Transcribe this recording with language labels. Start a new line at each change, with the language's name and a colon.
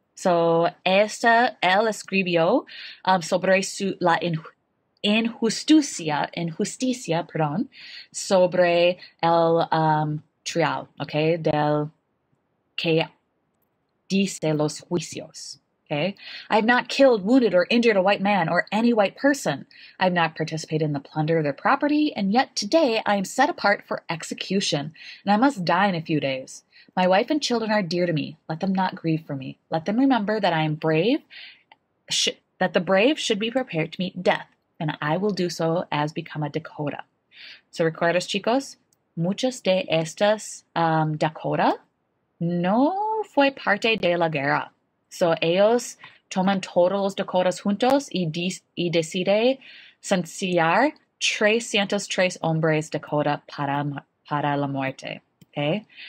Spanish: So, él escribió sobre la injusticia, perdón, sobre el trial, okay, del que dice los juicios.
English: Okay? I have not killed, wounded, or injured a white man or any white person. I have not participated in the plunder of their property, and yet today I am set apart for execution, and I must die in a few days. My wife and children are dear to me. Let them not grieve for me. Let them remember that I am brave, sh that the brave should be prepared to meet death, and I will do so as become a Dakota.
Spanish: So, recuerdos, chicos, muchas de estas Dakota no fue parte de la guerra. So, ellos toman todos los Dakotas juntos y decide sentenciar 303 hombres Dakota para la muerte. Okay?